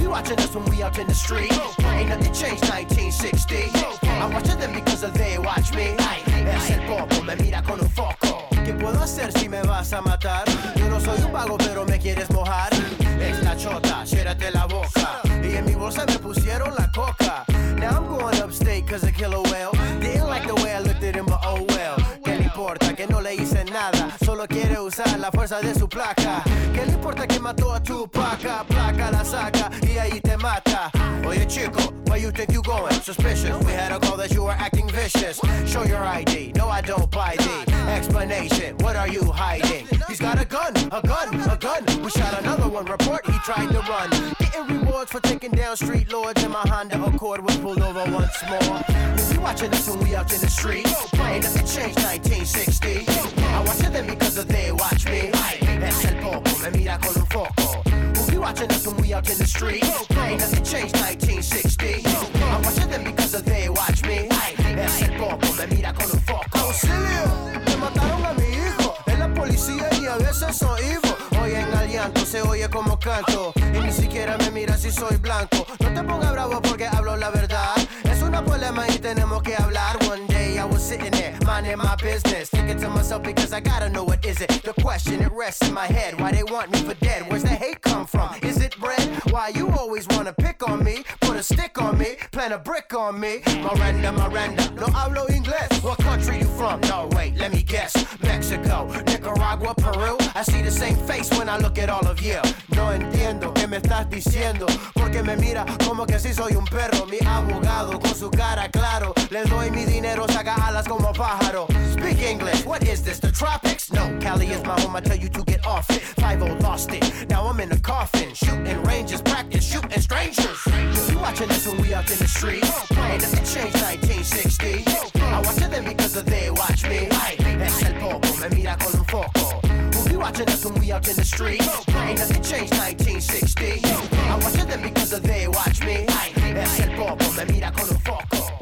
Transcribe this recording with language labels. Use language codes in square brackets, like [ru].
[en] Us when we out in the street, ain't nothing changed 1960. I watch them because of they watch me. [es] Es el popo, me mira con un foco. ¿Qué puedo hacer si me vas a matar? Yo no soy un vago, pero me quieres mojar. Esta chota, ciérrate la boca. Y en mi bolsa me pusieron la coca. [en] Now I'm going upstate cause a killer whale. Didn't like the way I looked at him, but oh well. [es] ¿Qué le importa que no le hice nada? Solo quiere usar la fuerza de su placa. ¿Qué le importa que mató a tu placa? Placa la saca y ahí te mata. Oye chico, [en] where you think you going? Suspicious, we had a call that you were acting vicious. Show your ID, no I don't buy D. Explanation, what are you hiding? He's got a gun, a gun, a gun. We shot another one, report he tried to run. Getting rewards for taking down street lords. And my Honda Accord was pulled over once more. You be watching us when we out in the streets. Ain't nothing changed 1960. I watch them because of they watch me. [es] Es el popo, me mira con un foco. [en] You watching us when we out in the street. Ain't nothing changed 1960. I'm watching them because of they watch me. [es] Es el popo, me mira con un foco. Auxilio, me mataron a mi hijo. Es la policía y a veces son evil. Hoy en aliento se oye como canto. Y ni siquiera me mira si soy blanco. No te pongas bravo porque hablo la verdad. Es un problema y tenemos que hablar. [en] One day I was sitting there, minding my business, thinking to myself because I gotta know what is it. The question, it rests in my head, why they want me for dead? Where's the hate come from? Is it bread? Why you always wanna pick on me? Put a stick on me, plant a brick on me. Miranda, Miranda, [es] no hablo inglés. [en] What country you from? No, wait, let me guess. Mexico, Nicaragua, Peru. I see the same face when I look at all of you. [es] No entiendo que me estás diciendo, porque me mira como que si soy un perro. Mi abogado con su cara claro. Le doy mi dinero, saca alas como pájaro. [en] Speak English, what is this, the tropics? No, Cali is my home, I tell you to get off it. 5-0 lost it, now I'm in a coffin. Shooting ranges, practice shooting strangers. You watching us when we out in the street. Ain't nothing changed 1960. I watch them because of they watch me. [es] Es el popo, me mira con un foco. [en] Who be watching us when we out in the street. Ain't nothing changed 1960. I watch them because of they watch me. [es] Es el popo, me mira con un foco.